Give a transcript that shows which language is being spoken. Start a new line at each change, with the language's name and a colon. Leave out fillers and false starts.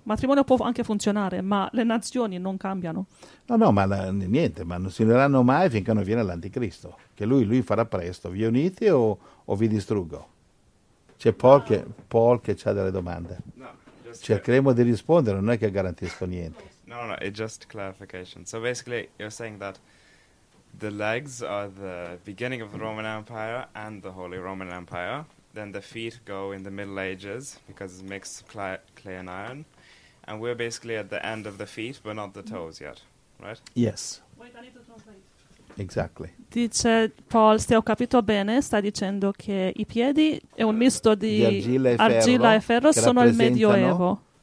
Italian: Matrimonio può anche funzionare, ma le nazioni non cambiano. No, ma niente, ma non si uniranno mai finché non viene l'anticristo, che lui farà presto. Vi unite o vi distruggo? C'è Paul che c'ha delle domande. No, cercheremo di rispondere, non è che garantisco niente. No, è
English: just clarification. So basically you're saying that the legs are the beginning of the Roman Empire and the Holy Roman Empire. Then the feet go in the Middle Ages because it's mixed clay and iron. And we're basically at the end of the feet, but not the toes yet, right? Yes. Wait, I need to translate. Exactly.
Italian: Dice Paul, se ho capito bene, sta dicendo che i piedi è un misto di argilla e ferro, sono il Medioevo.